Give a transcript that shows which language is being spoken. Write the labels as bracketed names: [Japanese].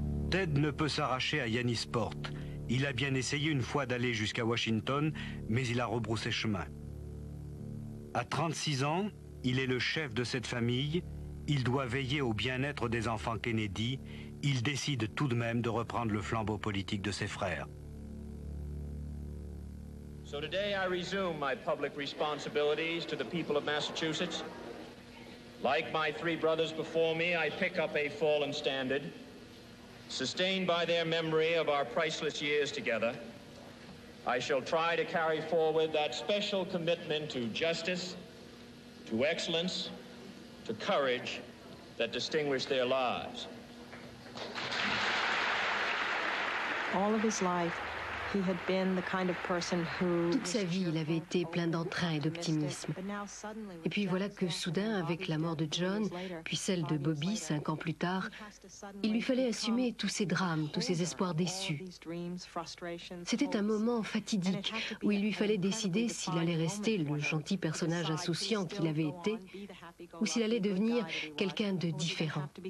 [French] Ted ne peut s'arracher à Yanisport. Il a bien essayé une fois d'aller jusqu'à Washington, mais il a rebroussé chemin. À 36 ans, il est le chef de cette famille. Il doit veiller au bien-être des enfants Kennedy. Il décide tout de même de reprendre le flambeau politique de ses frères. [English] So today I resume my public responsibilities to the people of Massachusetts. Like my three brothers before me, I pick up a fallen standard. Sustained by their memory of our priceless years together, I shall try to carry forward that special commitment to justice, to excellence, to courage that distinguished their lives. All of his life, he had been the kind of person who... [French] Toute sa vie, il avait été plein d'entrain et d'optimisme. Et puis voilà que soudain, avec la mort de John, puis celle de Bobby, 5 ans plus tard, il lui fallait assumer tous ses drames, tous ses espoirs déçus. C'était un moment fatidique où il lui fallait décider s'il allait rester le gentil personnage insouciant qu'il avait été ou s'il allait devenir quelqu'un de différent.